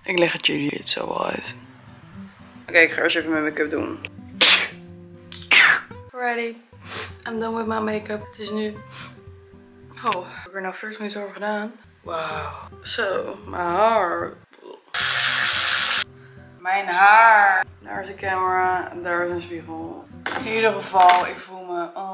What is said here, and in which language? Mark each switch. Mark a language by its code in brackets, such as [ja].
[nl] Ik leg het jullie dit zo wel uit. Oké, ik ga eens even mijn make-up doen. [en] Alrighty, I'm done with my make-up. [nl] Het is nu... Oh, ik heb er nou 40 minuten over gedaan. Wow. Zo, mijn haar. Mijn haar. Daar is de camera, daar is een spiegel. In ieder geval, ik voel me...